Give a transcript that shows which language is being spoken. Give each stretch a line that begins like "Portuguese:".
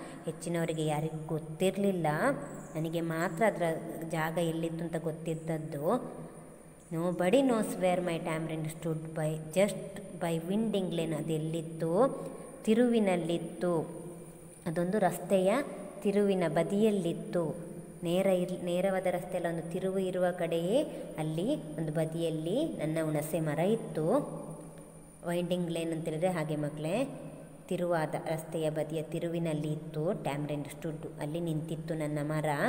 Kannada: ಹೆಚ್ಚಿನವರಿಗೆ ಯಾರಿಗೂ ಗೊತ್ತಿರಲಿಲ್ಲ, ನನಗೆ ಮಾತ್ರ ಅದರ ಜಾಗ ಎಲ್ಲಿತ್ತು ಅಂತ ಗೊತ್ತಿದ್ದದ್ದು.
English: Nobody knows where my tamarind stood by just by winding lane.
Kannada: ಅದೆಲ್ಲಿತ್ತು, ತಿರುವಿನಲ್ಲಿತ್ತು, ಅದೊಂದು ರಸ್ತೆಯ ತಿರುವಿನ ಬದಿಯಲ್ಲಿತ್ತು. ನೇರವಾದ ರಸ್ತೆಯಲ್ಲಿ ಒಂದು ತಿರುವು ಇರುವ ಕಡೆಯೇ ಅಲ್ಲಿ ಒಂದು ಬದಿಯಲ್ಲಿ ನನ್ನ ಹುಣಸೆ ಮರ ಇತ್ತು.
English: winding line
Kannada: ಅಂತೇಳಿದರೆ ಹಾಗೆ ಮಕ್ಕಳೇ, ತಿರುವಾದ ರಸ್ತೆಯ ಬದಿಯ ತಿರುವಿನಲ್ಲಿ ಇತ್ತು
English: tamarind stood,
Kannada: ಅಲ್ಲಿ ನಿಂತಿತ್ತು ನನ್ನ ಮರ.